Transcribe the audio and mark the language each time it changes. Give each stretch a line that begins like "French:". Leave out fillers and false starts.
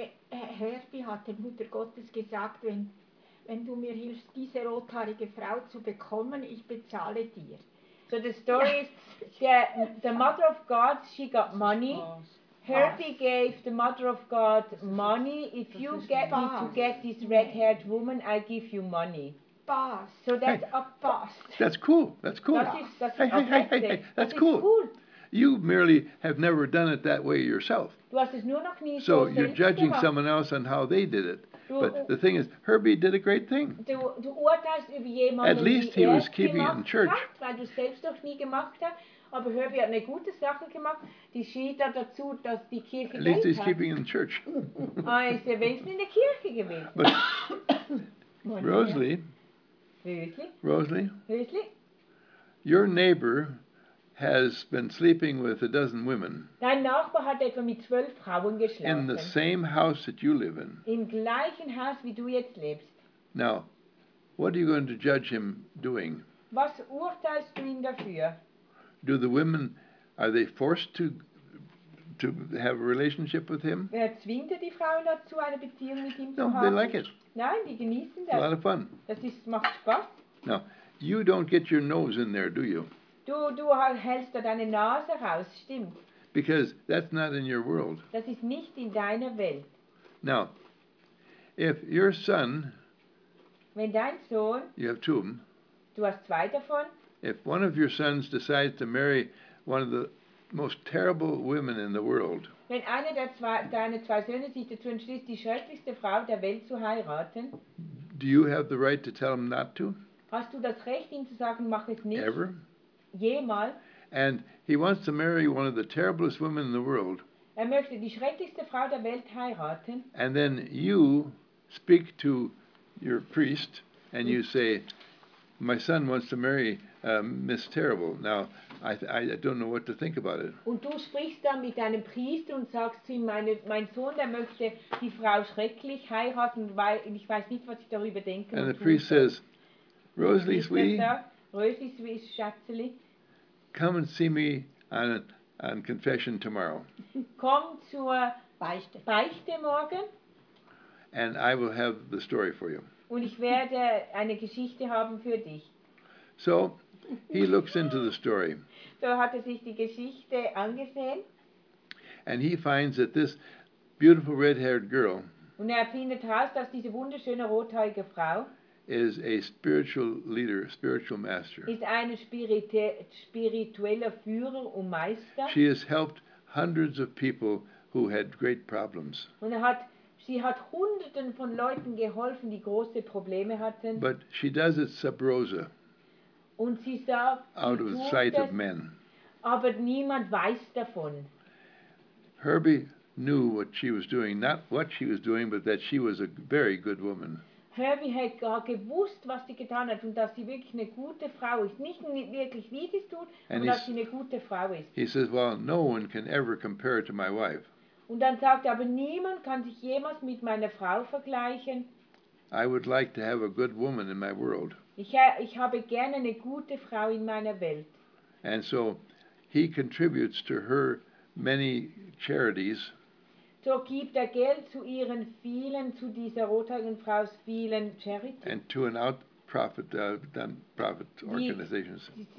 German: Herbie hat der Mutter Gottes gesagt, wenn du mir hilfst, diese rothaarige Frau zu bekommen, ich bezahle dir.
English: So the story is, the Mother of God, she got money. Herbie gave the Mother of God money. If you get me to get this red-haired woman, I give you money. Boss. So that's a boss. That's cool. That's cool. That's cool. You merely have never done it that way yourself.
German: Du hast es nur noch nie
English: so you're judging someone else on how they did it. But the thing is, Herbie did a great thing.
German: Du urteilst über jemanden,
English: at least he was keeping it in church.
German: Weil du selbst doch nie gemacht hast. Aber Herbie hat eine gute Sache gemacht. Die schied da dazu, dass die Kirche Geld hat.
English: At least he's keeping it in church.
German: Er ist ja wenigstens in der Kirche gewesen.
English: But, Rosalie. Rosalie. Rosalie. Your neighbor has been sleeping with a dozen women.
German: Dein Nachbar hat etwa mit 12 Frauen geschlafen.
English: In the same house that you live in.
German: Im gleichen Haus, wie du jetzt lebst.
English: Now, what are you going to judge him doing?
German: Was urteilst du ihn dafür?
English: Do the women, are they forced to have a relationship with him?
German: Er zwingt die Frauen dazu, eine Beziehung mit ihm
English: no,
German: zu haben?
English: They like it.
German: Nein, die genießen das.
English: It's a lot of fun.
German: Macht Spaß.
English: Now, you don't get your nose in there, do you?
German: Du hältst da deine Nase raus, stimmt.
English: Because that's not in your world.
German: Das ist nicht in deiner Welt.
English: Now, if your son,
German: wenn dein Sohn,
English: you have two of them,
German: du hast zwei davon,
English: if one of your sons decides to marry one of the most terrible women in the world,
German: wenn einer der deine zwei Söhne sich dazu entschließt, die schrecklichste Frau der Welt zu heiraten,
English: do you have the right to tell him not to?
German: Hast du das Recht, ihm zu sagen, mach es nicht?
English: Ever?
German: Jemals?
English: And he wants to marry one of the terriblest women in the world.
German: Er möchte die schrecklichste Frau der Welt heiraten.
English: And then you speak to your priest and you say, My son wants to marry Miss Terrible. Now, I don't know what to think about it.
German: Und du sprichst dann mit deinem Priester und sagst zu ihm, mein Sohn, der möchte die Frau schrecklich heiraten, weil ich weiß nicht, was ich darüber denke.
English: And the priest says, Rosalie, Rosalie, come and see me on confession tomorrow.
German: Komm zur Beichte morgen.
English: And I will have the story for you.
German: Und ich werde eine Geschichte haben für dich.
English: So, he looks into the story.
German: So hat er sich die Geschichte angesehen.
English: And he finds that this beautiful red-haired girl.
German: Und findet heraus, dass diese wunderschöne rothaarige Frau
English: is a spiritual leader, spiritual master.
German: Ist eine spirituelle Führer und Meister.
English: She has helped hundreds of people who had great problems.
German: Und sie hat hunderten von Leuten geholfen, die große Probleme hatten.
English: But she does it sub rosa.
German: Und sie sagt,
English: out of sight of men.
German: Aber niemand weiß davon.
English: Herbie knew what she was doing, not what she was doing, but that she was a very good woman.
German: Herbie hat gar gewusst, was sie getan hat und dass sie wirklich eine gute Frau ist. Nicht wirklich, wie sie es tut, und dass sie eine gute Frau ist.
English: He says, well, no one can ever compare to my wife.
German: Und dann sagt er, aber niemand kann sich jemals mit meiner Frau vergleichen.
English: I would like to have a good woman in my world.
German: Ich habe gerne eine gute Frau in meiner Welt.
English: And so he contributes to her many charities.
German: So gibt er Geld zu ihren vielen, zu dieser rothaarigen Frau vielen Charities.
English: And to an out-profit, non-profit organizations.